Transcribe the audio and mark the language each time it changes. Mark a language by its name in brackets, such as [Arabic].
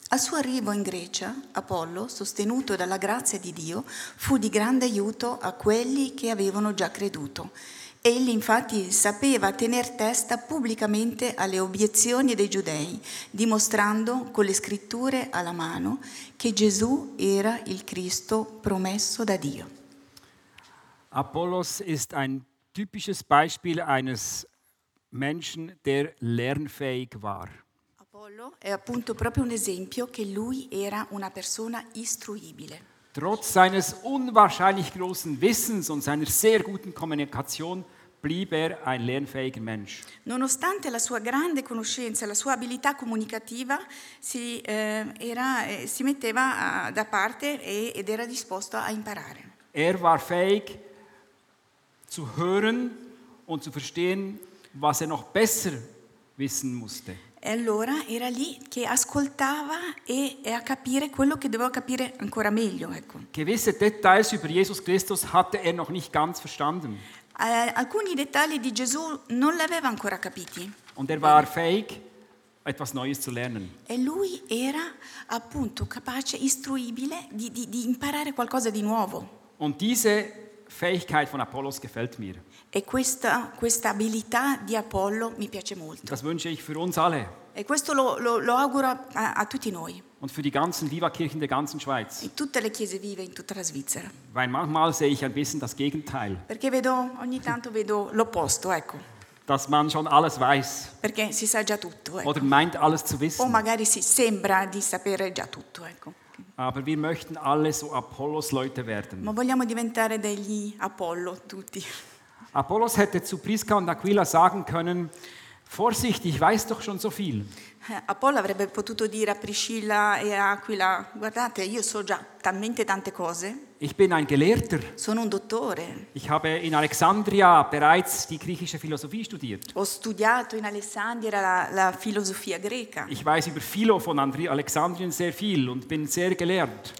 [Italian] Al suo arrivo in Grecia, Apollo, sostenuto dalla grazia di Dio, fu di grande aiuto a quelli che avevano già creduto. Egli infatti sapeva tener testa pubblicamente alle obiezioni dei giudei, dimostrando con le scritture alla mano che Gesù era il Cristo promesso da Dio. [German] Apollos ist ein typisches Beispiel eines Menschen, der lernfähig war. [Italian] Paolo è appunto proprio un esempio che lui era una persona istruibile. [German] Trotz seines unwahrscheinlich großen Wissens und seiner sehr guten Kommunikation blieb er ein lernfähiger Mensch. [Italian] Nonostante la sua grande conoscenza, la sua abilità comunicativa, si metteva da parte ed era disposto a imparare. [German] Er war fähig zu hören und zu verstehen, was er noch besser wissen musste. [Italian] E allora era lì che ascoltava e a capire quello che doveva capire ancora meglio, ecco. [German] Gewisse Details über Jesus Christus hatte er noch nicht ganz verstanden. [Italian] Alcuni dettagli di Gesù non l'aveva ancora capiti. [German] Und er war fähig, etwas Neues zu lernen. [Italian] E lui era appunto capace, istruibile di imparare qualcosa di nuovo. [German] Und diese Fähigkeit von Apollos gefällt mir. [Italian] E questa abilità di Apollo mi piace molto. [German] Das wünsche ich für uns alle. [Italian] E questo lo auguro a tutti noi. [German] Und für die ganzen Viva-Kirchen der ganzen Schweiz. [Italian] In tutte le chiese vive in tutta la Svizzera. [German] Weil manchmal sehe ich ein bisschen das Gegenteil. [Italian] Perché ogni tanto vedo l'opposto, ecco. [German] Dass man schon alles weiß. [Italian] Perché si sa già tutto, ecco. [German] Oder meint alles zu wissen. [Italian] O magari si sembra di sapere già tutto, ecco. [German] Aber wir möchten alle so Apollos-Leute werden. [Italian] Ma vogliamo diventare degli Apollo tutti. [German] Apollos hätte zu Prisca und Aquila sagen können: Vorsicht, ich weiß doch schon so viel. [Italian] Apollo avrebbe potuto dire a Priscilla e a Aquila: Guardate, io so già talmente tante cose. [German] Ich bin ein Gelehrter. [Italian] Sono un dottore. [German] Ich habe in Alexandria bereits die griechische Philosophie studiert. [Italian] Ho studiato in Alessandria la filosofia greca. [German] Ich weiß über Philo von Alexandrien sehr viel und bin sehr gelehrt.